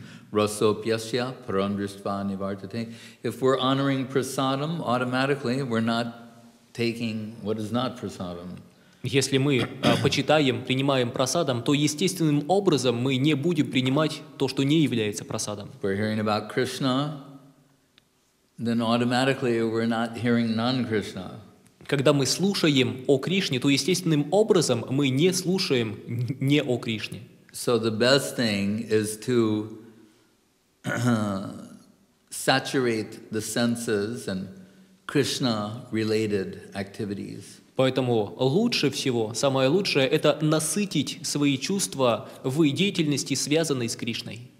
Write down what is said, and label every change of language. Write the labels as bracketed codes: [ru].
[sa] Расопьяся парандриства нивартате. [en] If we're honoring prasadam, automatically we're not taking what is not prasadam. [ru] Если мы почитаем, принимаем прасадам, то естественным образом мы не будем принимать то, что не является прасадам. [en] We're hearing about Krishna, then automatically we're not hearing non-Krishna. [ru] Когда мы слушаем о Кришне, то естественным образом мы не слушаем не о Кришне. [en] So the best thing is to saturate the senses and Krishna-related activities. [ru] Поэтому лучше всего, самое лучшее, это насытить свои чувства в деятельности, связанной с Кришной.